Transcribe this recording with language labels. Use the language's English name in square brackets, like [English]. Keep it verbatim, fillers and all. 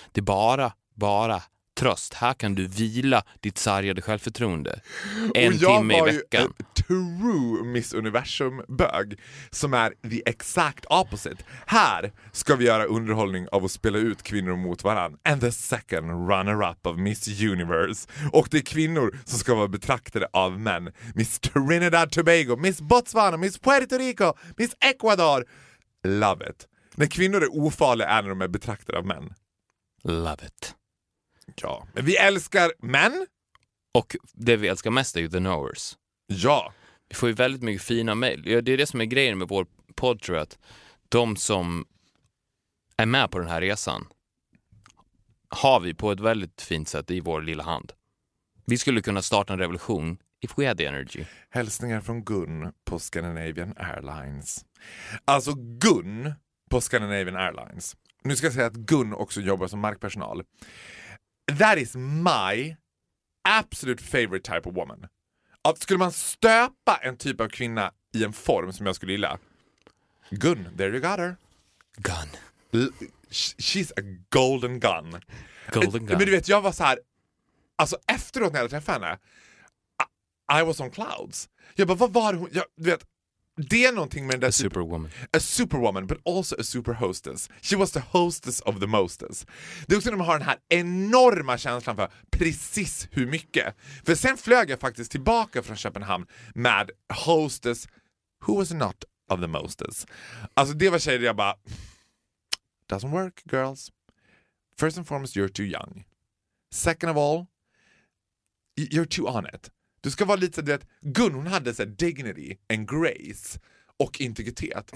[Swedish] Det är bara, bara... tröst. Här kan du vila ditt sargade självförtroende en timme i veckan. Jag var true Miss Universum-bög som är [English] the exact opposite. [Swedish] Här ska vi göra underhållning av att spela ut kvinnor mot varann. [English] And the second runner-up of Miss Universe. [Swedish] Och det är kvinnor som ska vara betraktade av män. Miss Trinidad Tobago, Miss Botswana, Miss Puerto Rico, Miss Ecuador. [English] Love it. [Swedish] När kvinnor är ofarliga är när de är betraktade av män. [English] Love it. [Swedish] Ja, men vi älskar män. Och det vi älskar mest är ju [English] the knowers. [Swedish] Ja. Vi får ju väldigt mycket fina mejl. Det är det som är grejen med vår podd, tror jag. Att de som är med på den här resan har vi på ett väldigt fint sätt i vår lilla hand. Vi skulle kunna starta en revolution [English] if we had the energy. [Swedish] Hälsningar från Gun på Scandinavian Airlines. Alltså Gun på Scandinavian Airlines. Nu ska jag säga att Gun också jobbar som markpersonal. [English] That is my absolute favorite type of woman. [Swedish] Att skulle man stöpa en typ av kvinna i en form som jag skulle gilla. [English] Gun, there you got her. Gun. L- she's a golden gun. Golden gun. [Swedish] Men du vet, jag var så här... Alltså efteråt när jag träffade henne... [English] I, I was on clouds. [Swedish] Jag bara, vad var hon... Jag, du vet, det är någonting med den där... [English] A superwoman. Super, a superwoman, but also a superhostess. She was the hostess of the mostess. [Swedish] Det är också när man har den här enorma känslan för precis hur mycket. För sen flög jag faktiskt tillbaka från Köpenhamn med [English] hostess who was not of the mostess. [Swedish] Alltså det var tjejer jag bara... [English] Doesn't work, girls. First and foremost, you're too young. Second of all, you're too on it. [Swedish] Du ska vara lite så att Gun, hon hade så [English] dignity and grace [Swedish] och integritet.